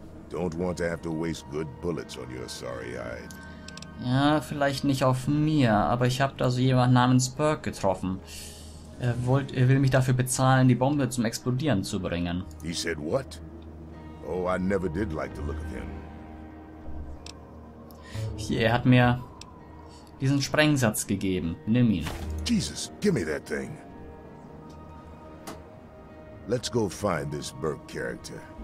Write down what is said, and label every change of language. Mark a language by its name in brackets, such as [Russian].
[English] Don't want to have to waste good bullets on your sorry hide. [German] Ja, vielleicht nicht auf mir, aber ich habe da so jemanden namens Burke getroffen. Er will mich dafür bezahlen, die Bombe zum Explodieren zu bringen. [English] He said what? Oh, I never did like the look of him. [German] Hier, er hat mir diesen Sprengsatz gegeben. Nimm ihn. [English] Jesus, give me that thing. Let's go find this Burke character.